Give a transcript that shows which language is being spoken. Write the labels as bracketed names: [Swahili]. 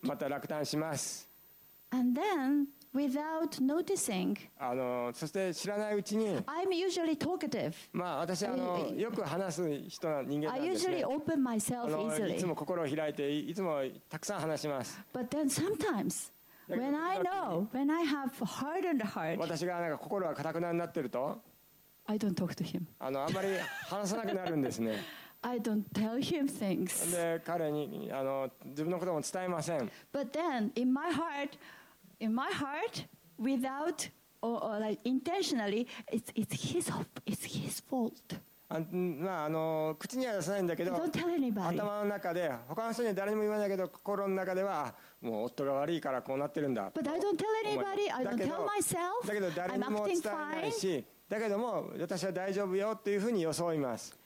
[Japanese] また落胆します。 [English] And then without noticing. [Japanese] あの、そして知らないうちに。 [English] I'm usually talkative. [Japanese] まあ、私あの、よく話す人な人間なんです [English] ね。I usually open myself easily. [Japanese] いつも心を開いて、いつもたくさん話します。 [English] But then sometimes, when I know, when I have hardened heart, [Japanese] 私がなんか心が固くなになってると、 [English] I don't talk to him. [Japanese] あの、あんまり話さなくなるんですね。 [English] I don't tell him things. [Japanese] で、彼にあの、自分のことも伝えません。 [English] But then, in my heart, without or like intentionally, it's his fault. [Japanese] まあ、あの、口には出さないんだけど、 [English] don't tell anybody. [Japanese] 頭の中で、他の人には誰にも言わないけど、心の中では、もう夫が悪いからこうなってるんだ。 [English] But I don't tell anybody. I don't tell myself. [Japanese] だけど、誰にも伝えないし、だけども、私は大丈夫よっていうふうに装います。